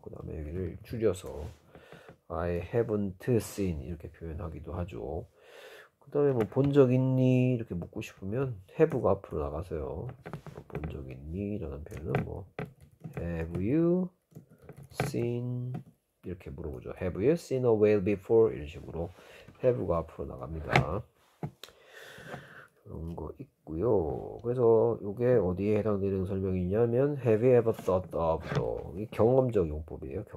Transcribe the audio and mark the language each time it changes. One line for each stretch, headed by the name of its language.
Korean: 그 다음에 여기를 줄여서
English: I haven't seen
Korean: 이렇게 표현하기도 하죠. 그다음에 뭐본적 있니 이렇게 묻고 싶으면 have가 앞으로 나가세요. 본적 있니 라는 표현은 뭐
English: have you seen
Korean: 이렇게 물어보죠.
English: have you seen a whale before
Korean: 이런 식으로 have가 앞으로 나갑니다. 그런 거 있고요. 그래서 이게 어디에 해당되는 설명이냐면
English: have you ever thought of
Korean: 도 이 경험적 용법이에요.